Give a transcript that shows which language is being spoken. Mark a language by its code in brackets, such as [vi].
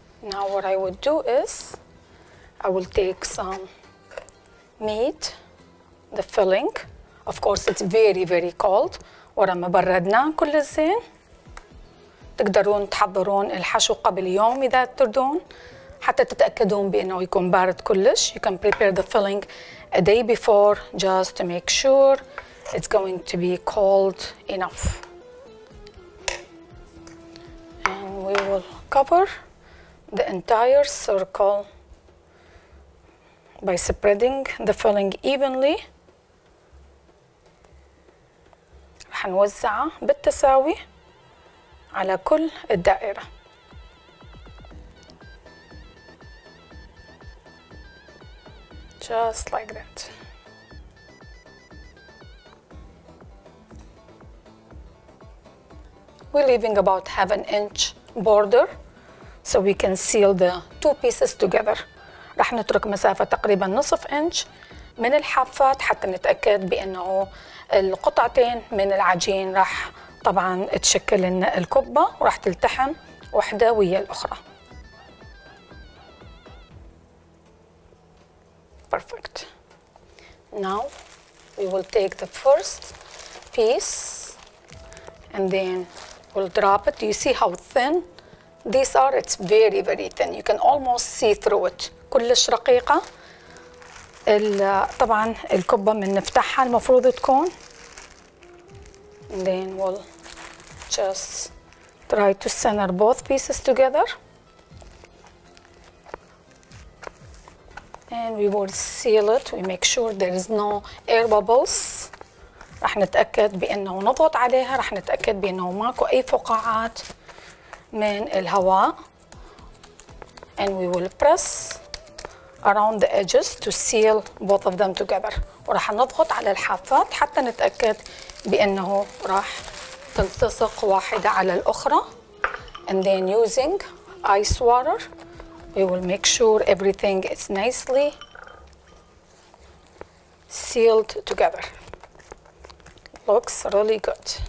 [en] Now what I would do is I will take some meat, the filling. Of course, it's very, very cold. [ar] ورما بردنا كل الزين. تقدرون تحضرون الحشو قبل يوم إذا تردون حتى تتأكدون بأنه يكون بارد كلش. [en] You can prepare the filling a day before just to make sure it's going to be cold enough. And we will cover the entire circle by spreading the filling evenly. [ar] راح نوزعه بالتساوي على كل الدائرة. [en] just like that. We're leaving about half an inch border so we can seal the two pieces together. [ar] راح نترك مسافة تقريبا نصف انش من الحافات حتى نتأكد بأنه القطعتين من العجين راح طبعا تشكل الكبة وراح تلتحم واحدة ويا الأخرى. [en] Perfect. Now we will take the first piece and then we'll drop it. Do you see how thin these are? It's very, very thin. You can almost see through it. [ar] كلش رقيقة. طبعا الكبة من نفتحها المفروض تكون. [en] And then we'll just try to center both pieces together. And we will seal it. We make sure there is no air bubbles. [ar] راح نتأكد بأنه نضغط عليها راح نتأكد بأنه ماكو أي فقاعات من الهواء. [en] And we will press around the edges to seal both of them together. [ar] وراح نضغط على الحافات حتى نتأكد بأنه راح تلتصق واحدة على الأخرى. [en] And then using ice water, we will make sure everything is nicely sealed together. Looks really good.